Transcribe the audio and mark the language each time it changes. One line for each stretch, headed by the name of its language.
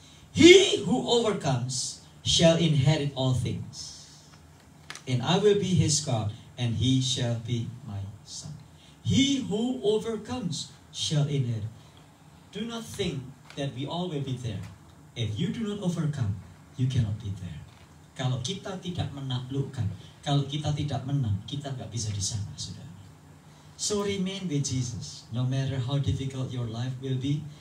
English: He who overcomes shall inherit all things, and I will be his God, and he shall be my son. He who overcomes shall inherit. Do not think that we all will be there. If you do not overcome, you cannot be there.
Indonesian: Kalau kita tidak menaklukkan, kalau kita tidak menang, kita enggak bisa di sana, saudara.
English: So remain with Jesus, no matter how difficult your life will be.